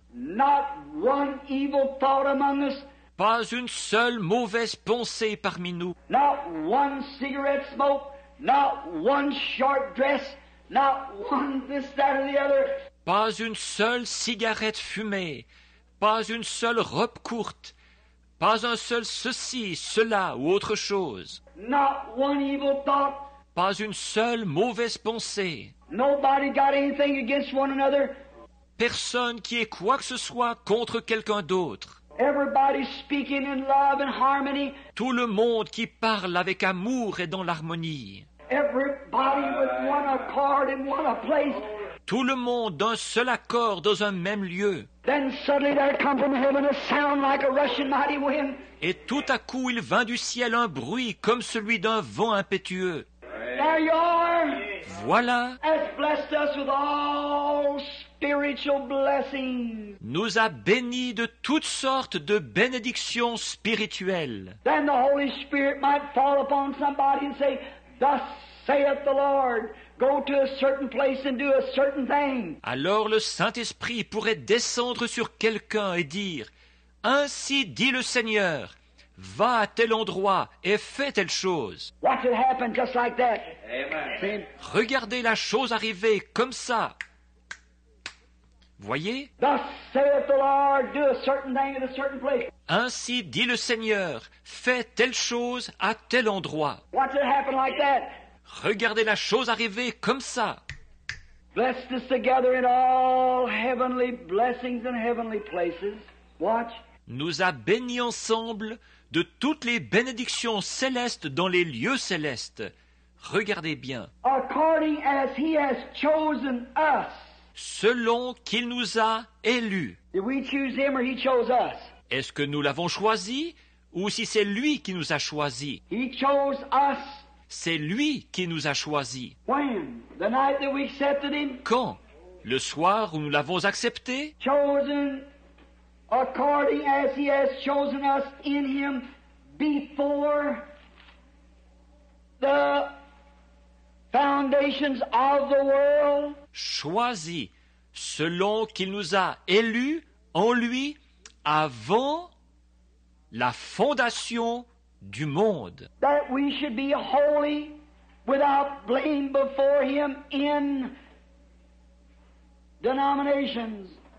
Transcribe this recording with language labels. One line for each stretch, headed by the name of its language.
English: Not one evil thought among us.
French: Pas une seule mauvaise pensée parmi nous.
English: Not one cigarette smoke, not one sharp dress, not one this, that, or the other.
French: Pas une seule cigarette fumée, pas une seule robe courte, pas un seul ceci, cela ou autre chose.
English: Not one evil thought.
French: Pas une seule mauvaise pensée.
English: Nobody got anything against one another.
French: Personne qui ait quoi que ce soit contre quelqu'un d'autre.
English: Everybody speaking in love and harmony.
French: Tout le monde qui parle avec amour et dans l'harmonie.
English: Everybody with one accord in one place.
French: Tout le monde d'un seul accord dans un même lieu.
English: Then suddenly there came from heaven a sound like a rushing mighty wind.
French: Et tout à coup il vint du ciel un bruit comme celui d'un vent impétueux.
English: There you are.
French: Voilà.
English: Has blessed us with all spiritual blessings.
French: Nous a bénis de toutes sortes de bénédictions spirituelles.
English: Then the Holy Spirit might fall upon somebody and say, thus saith the Lord. Go to a certain place and do a certain thing.
French: Alors le Saint-Esprit pourrait descendre sur quelqu'un et dire, ainsi dit le Seigneur, va à tel endroit et fais telle chose.
English: Watch it happen just like that. Amen.
French: Regardez la chose arriver comme ça. Voyez?
English: Thus saith the Lord, do a certain thing in a certain place.
French: Ainsi dit le Seigneur, fais telle chose à tel endroit.
English: Watch it happen like that.
French: Regardez la chose arriver comme ça.
English: Blessed is the gathering all heavenly blessings in heavenly places. Watch.
French: Nous a bénis ensemble de toutes les bénédictions célestes dans les lieux célestes. Regardez bien.
English: According as he has chosen us.
French: Selon qu'il nous a élus.
English: Did we choose him or he chose us?
French: Est-ce que nous l'avons choisi ou si c'est lui qui nous a choisi?
English: He chose us.
French: C'est lui qui nous a choisi.
English: When? The night that we accepted him?
French: Quand? Le soir où nous l'avons accepté?
English: Chosen. According as he has chosen us in him before the foundations of the world.
French: Choisi selon qu'il nous a élus en lui avant la fondation du monde.
English: That we should be holy without blame before him in denominations.